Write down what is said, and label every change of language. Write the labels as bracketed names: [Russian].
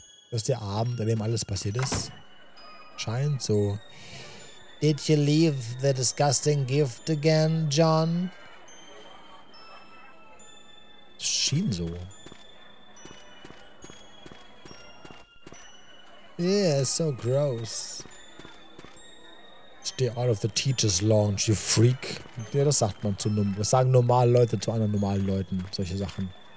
[German] Das ist der Abend, an dem alles passiert ist. Scheint so. [English] Did you leave the disgusting gift again, John? [German] Schien so. [English] Yeah, it's so gross. Stay out of the teacher's lounge, you freak. [German] Ja, das sagt man zu normalen Leuten, zu anderen normalen Leuten, solche Sachen.